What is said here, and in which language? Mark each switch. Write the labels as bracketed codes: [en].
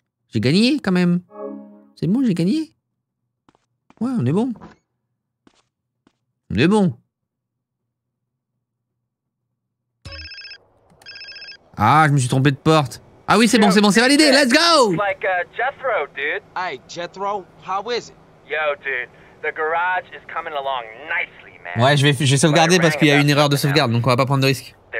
[fr] J'ai gagné quand même. C'est bon, j'ai gagné. Ouais, on est bon. On est bon. Ah, je me suis trompé de porte. Ah oui, c'est bon, c'est bon, c'est validé, let's go! [en] Like Jethro, dude. Hey, Jethro, how is it? Yo, dude, the garage is coming along nicely, man. [fr] Ouais, je vais sauvegarder parce qu'il y a une erreur de sauvegarde, donc on va pas prendre de risque.